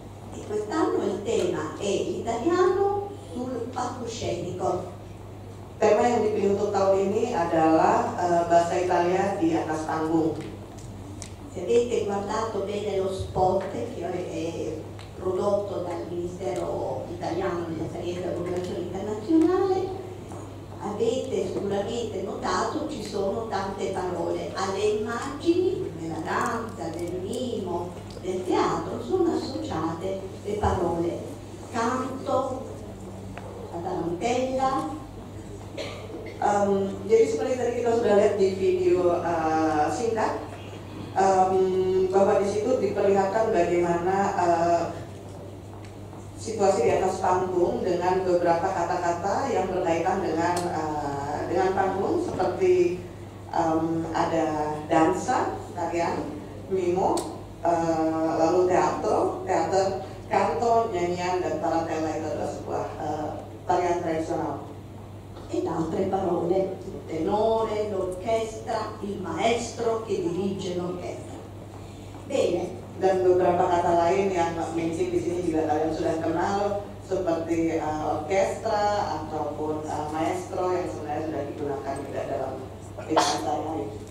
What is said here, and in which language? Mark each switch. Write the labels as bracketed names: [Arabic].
[Italian] E quest'anno il tema è italiano sul palcoscenico. [Indonesian] Tema yang dipilih untuk tahun ini adalah bahasa Italia di atas panggung. [Italian] Se avete guardato bene lo spot che è prodotto dal Ministero Italiano della Sanità e della Cooperazione Internazionale, avete sicuramente notato ci sono tante parole. Alle immagini, nella danza, nel mimo, nel teatro, sono associate le parole canto, la tarantella. Ieri sera che ho guardato il video [Indonesian] a Sinda, bahwa di situ diperlihatkan bagaimana situasi di atas panggung dengan beberapa kata-kata yang berkaitan dengan panggung seperti ada dansa, tarian, mimo, lalu teater, canto, nyanyian dan tarantella itu adalah sebuah tarian tradisional. [Italian] E altre parole, il tenore, l'orchestra, il maestro che dirige l'orchestra. Bene. [Indonesian] Dan beberapa kata lain yang mention di sini juga kalian sudah kenal, seperti orkestra ataupun maestro yang sebenarnya sudah digunakan juga dalam kegiatan lain.